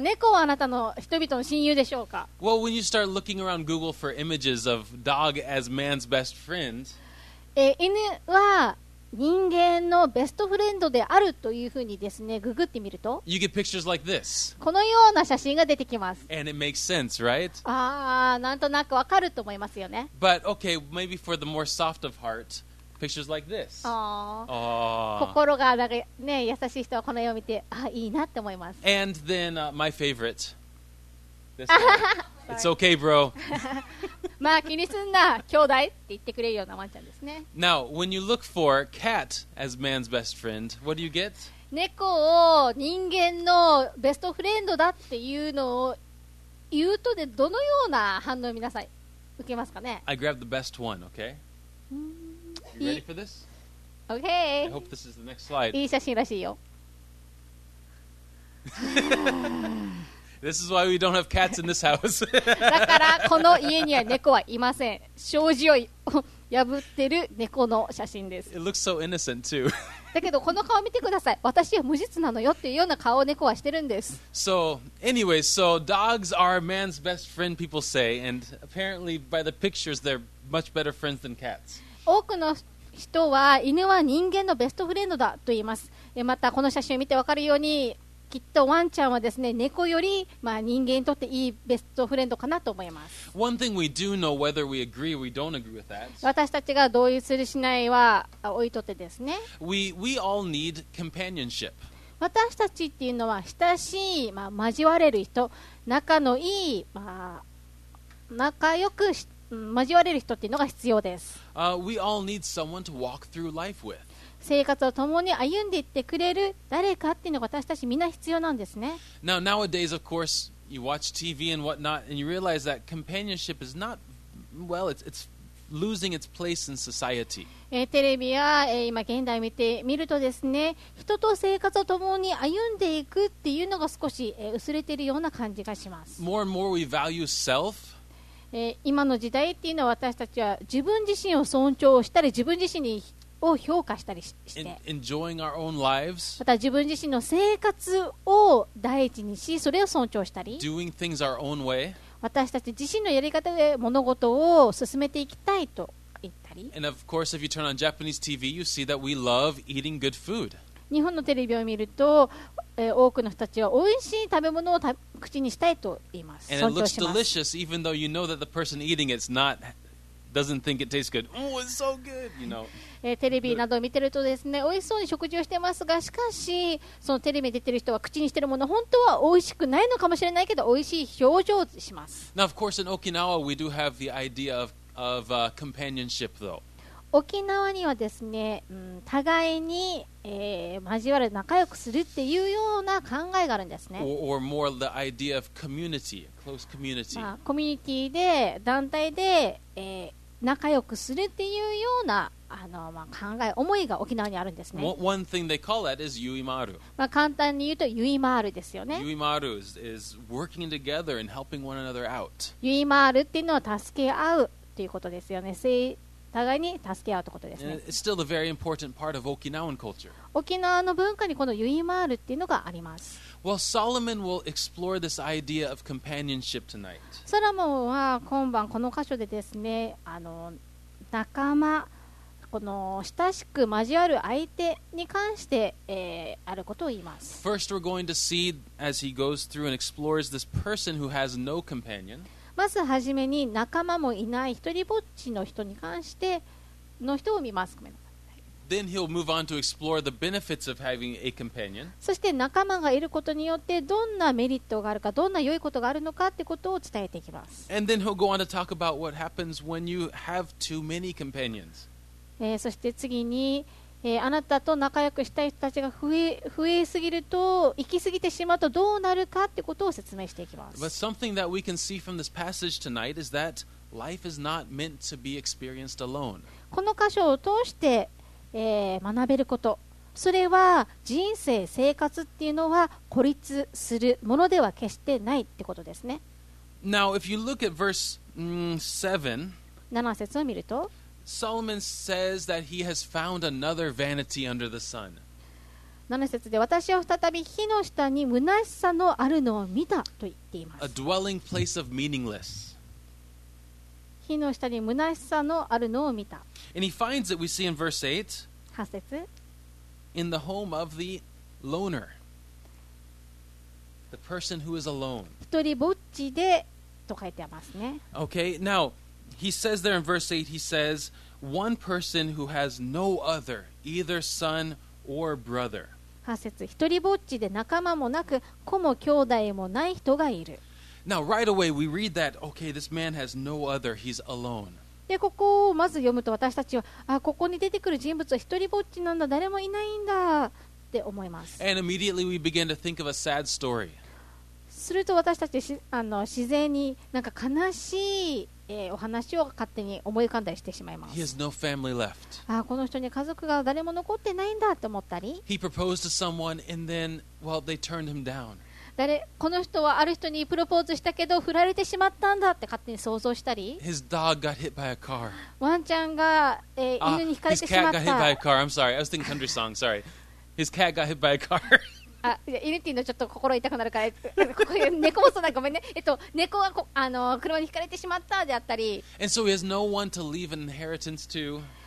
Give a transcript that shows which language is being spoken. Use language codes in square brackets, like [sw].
[ja] 猫はあなたの人々の親友でしょうか? [en] Well, when you start looking around Google for images of dog as man's best friend... [ja] 犬は人間のベストフレンドであるというふうにですね、ググってみると [en] You get pictures like this. [ja] このような写真が出てきます。 [en] And it makes sense, right? [ja] なんとなくわかると思いますよね。 [en] But okay, maybe for the more soft of heart, pictures like this. [ja] 心がなんか、ね、優しい人はこの絵を見て、いいなって思います。 [en] And then, my favorite. This one. It's okay, bro. [ja] まあ気にすんな兄弟って言ってくれるようなワンちゃんですね。 [en] Now, when you look for cat as man's best friend, what do you get? [ja] 猫を人間のベストフレンドだっていうのを言うとで、どのような反応を皆さん受けますかね? [en] I grabbed the best one, okay? You ready for this? Okay. I hope this is the next slide. [ja] いい写真らしいよ。 [en] This is why we don't have cats in this house. [ja] だからこの家には猫はいません。障子を破ってる猫の写真です。 [en] It looks so innocent too. [ja] だけどこの顔見てください。私は無実なのよっていうような顔を猫はしてるんです。 [en] So anyway, so dogs are man's best friend, people say, and apparently by the pictures, they're much better friends than cats. [ja] 多くの人は犬は人間のベストフレンドだと言います。またこの写真を見てわかるように。きっとワンちゃんはですね、猫より、まあ、人間にとっていいベストフレンドかなと思います。 [en] One thing we do know whether we agree or we don't agree with that. [ja] 私たちが同意するしないは置いとってですね。 [en] We all need companionship. [ja] 私たちっていうのは親しい、まあ、交われる人、仲のいい、まあ、仲良く交われる人っていうのが必要です。 [en] We all need someone to walk through life with. [ja] 生活を共に歩んでいってくれる誰かっていうのが私たちみんな必要なんですね。 [en] Now, nowadays, of course, you watch TV and whatnot, and you realize that companionship is not, well, it's losing its place in society. [ja] テレビや、今現代見てみるとですね、人と生活を共に歩んでいくっていうのが少し、薄れているような感じがします。 [en] More and more we value self. [ja] 今の時代っていうのは私たちは自分自身を尊重したり、自分自身にを評価したりして、また自分自身の生活を第一にし、それを尊重したり、 [en] doing things our own way. [ja] 私たち自身のやり方で物事を進めていきたいと言ったり、 [en] and of course, if you turn on Japanese TV, you see that we love eating good food. [ja] 日本のテレビを見ると、多くの人たちは美味しい食べ物を口にしたいと言います。 [en] and it looks delicious, even though you know that the person eating it's notDoesn't think it tastes good. Oh, it's so good, you know. [ja] テレビなどを見てるとですね、美味しそうに食事をしてますが、しかしそのテレビに出てる人は口にしてるもの本当は美味しくないのかもしれないけど、美味しい表情をします。 [en] Now, of course, in Okinawa, we do have the idea of companionship, though. [ja] 沖縄にはですね、互いに、交わる仲良くするっていうような考えがあるんですね。 [en] Or more the idea of community, close community. [ja] まあ、コミュニティで団体で、仲良くするっていうようなあの、まあ、考え思いが沖縄にあるんですね。 [en] One thing they call that is ゆいまる。 [ja] まあ、簡単に言うとゆいまるですよね。 [en] ゆいまる is working together and helping one another out. [ja] ゆいまるっていうのは助け合うっていうことですよね。互いに助け合うということですね。 [en] It's still a very important part of Okinawan culture. [ja] 沖縄の文化にこのユイマールっていうのがあります。 [en] Well, Solomon will explore this idea of companionship tonight. [ja] ソロモンは今晩この箇所でですね、あの仲間、この親しく交わる相手に関して、あることを言います。 [en] First, we're going to see as he goes through and explores this person who has no companion. [ja] まずはじめに仲間もいない一人ぼっちの人に関しての人を見ます。ごめんなさい。 [en] Then he'll move on to explore the benefits of having a companion. [ja] そして仲間がいることによってどんなメリットがあるか、どんな良いことがあるのかってことを伝えていきます。 [en] And then he'll go on to talk about what happens when you have too many companions. [ja] そして次に、あなたと仲良くしたい人たちが増えすぎると行き過ぎてしまうとどうなるかってことを説明していきます。 [en] But something that we can see from this passage tonight is that life is not meant to be experienced alone. [ja] この箇所を通して、学べること、それは人生生活っていうのは孤立するものでは決してないってことですね。 [en] Now, if you look at verse [ja] 7節を見ると。 [en] Solomon says that he has found another vanity under the sun. [ja] 7節で私は再び火の下に虚しさのあるのを見たと言っています。 [en] A dwelling place of meaningless. [ja] 火の下に虚しさのあるのを見た。 [en] And he finds it, we see in verse 8. [ja] 8節。 [en] In the home of the loner. The person who is alone. [ja] 一人ぼっちでと書いてますね。 [en] Okay, now,He says there in verse 8, he says, one person who has no other, either son or brother. [ja] 8節、一人ぼっちで仲間もなく、子も兄弟もない人がいる。 [en] Now, right away, we read that, okay, this man has no other, he's alone. [ja] で、ここをまず読むと私たちは、あ、ここに出てくる人物は一人ぼっちなんだ、誰もいないんだって思います。 [en] And immediately we begin to think of a sad story. [ja] すると私たち、自然になんか悲しいお話を勝手に思い浮かんだりしてしまいます。 [en] He has no family left. [ja] ああこの人に家族が誰も残ってないんだと思ったり。 [en] He proposed to someone and then, well, they turned him down. [ja] この人はある人にプロポーズしたけど振られてしまったんだって勝手に想像したり。 [en] His dog got hit by a car. [ja] ワンちゃんが、犬にひかれてしまった。 [en] His cat got hit by a car. I'm sorry. I was thinking country song. Sorry. His cat got hit by a car. [ja] あ、いや、犬っていうのちょっと心痛くなるから、ここ猫もそうだ、ごめんね。猫はこ車に轢かれてしまったであったり。 [en] And so he has no one to leave an inheritance to.